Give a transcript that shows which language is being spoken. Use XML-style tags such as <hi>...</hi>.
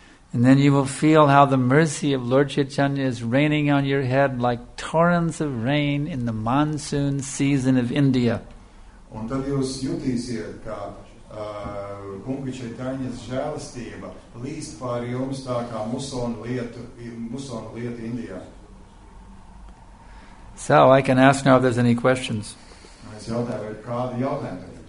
<en>And then you will feel how the mercy of Lord Chaitanya is raining on your head like torrents of rain in the monsoon season of India.</en> <lv>Un tad jūs jutīsiet, ka kunga Čaitanjas žēlistība līst pār jums tā kā musona lietu Indijā.</lv> <en>So, I can ask now if there's any questions.</en> <lv>Es jautāju, vai kādi jautājumi?</lv>